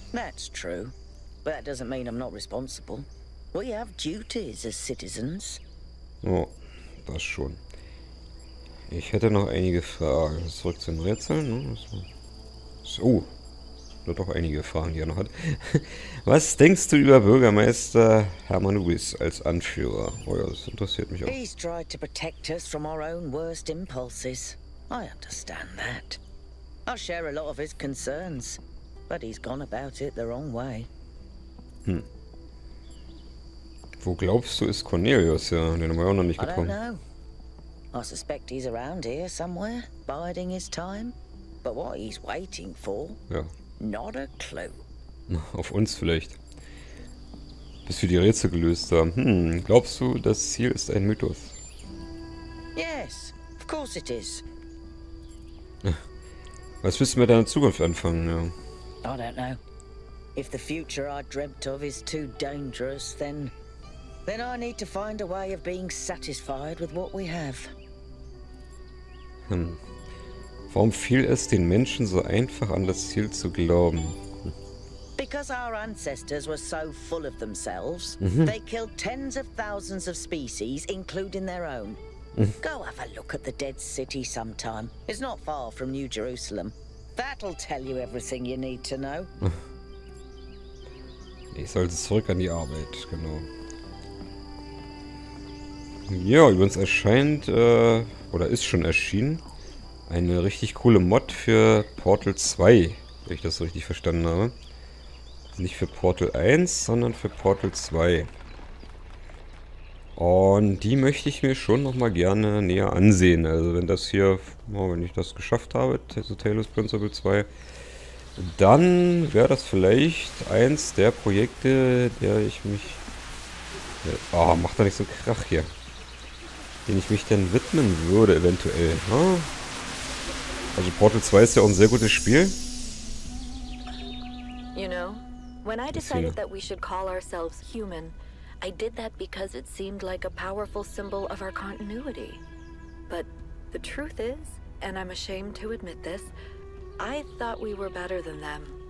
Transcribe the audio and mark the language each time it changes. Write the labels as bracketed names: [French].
[English] That's true. But that doesn't mean I'm not responsible. We have duties as citizens. [German] Oh, das schon. Ich hätte noch einige Fragen. Zurück zu den Rätseln. So. Nur doch einige Fragen, die er noch hat. Was denkst du über Bürgermeister Hermann Lewis als Anführer? Oh ja, das interessiert mich auch. [English] He's tried to protect us from our own worst impulses. I understand that. I share a lot of his concerns, but he's gone about it the wrong way. [German] Wo glaubst du ist Cornelius? Ja, den haben wir auch noch nicht getroffen. [English] I don't know. I suspect he's around here somewhere, biding his time. But what he's waiting for? [German] Ja. [English] Not a clue. [German] Auf uns vielleicht. Bis wir die Rätsel gelöst haben. Glaubst du, das Ziel ist ein Mythos? [English] Yes, of course it is. [German] Was müssen wir deiner Zukunft anfangen, ja? [English] I don't know. If the future I dreamt of is too dangerous, then I need to find a way of being satisfied with what we have. [German] Warum fiel es den Menschen so einfach, an das Ziel zu glauben? [English] Because our ancestors were so full of themselves, they killed tens of thousands of species, including their own. Go have a look at the Dead City sometime. It's not far from New Jerusalem. That'll tell you everything you need to know. [German] Ich sollte zurück an die Arbeit, genau. Ja, übrigens erscheint, oder ist schon erschienen. Eine richtig coole Mod für Portal 2, wenn ich das so richtig verstanden habe. Nicht für Portal 1, sondern für Portal 2. Und die möchte ich mir schon nochmal gerne näher ansehen. Also wenn das hier, wenn ich das geschafft habe, also Talos Principle 2, dann wäre das vielleicht eins der Projekte, der ich mich... Oh, macht da nicht so einen Krach hier. Den ich mich denn widmen würde eventuell. Ne? Also Portal 2 ist ja auch ein sehr gutes Spiel. [English] You know, when I decided that we should call ourselves human, I did that because it seemed like a powerful symbol of our continuity. But the truth is, and I'm ashamed to admit this, I thought we were better than them.